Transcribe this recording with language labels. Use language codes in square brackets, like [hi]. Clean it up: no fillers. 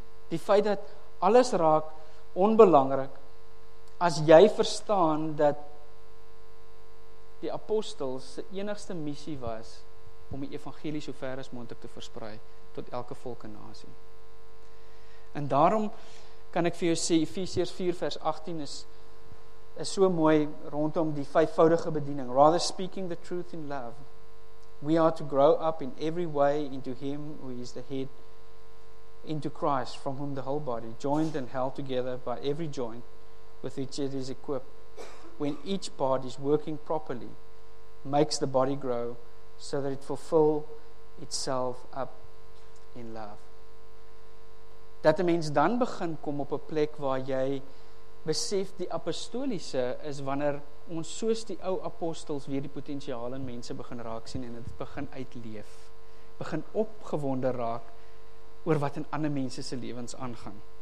[af] Die feit dat alles raak onbelangrik, as jy verstaan dat die apostels se enigste missie was om die evangelie so ver as moontlik te versprei tot elke volk en nasie. En daarom kan ek vir jou sê, Efesiërs 4 vers 18 is so mooi rondom die vyfvoudige bediening. [en] Rather speaking the truth in love, we are to grow up in every way into him who is the head, into Christ, from whom the whole body, joined and held together by every joint with which it is equipped, when each part is working properly, makes the body grow so that it fulfill itself up in love. [af] Dat 'n mens dan begin kom op 'n plek waar jy besef die apostoliese is wanneer ons soos die ou apostels weer die potensiaal in mense begin raak sien en dit begin uitleef, begin opgewonde raak oor wat in ander mense se lewens aangaan.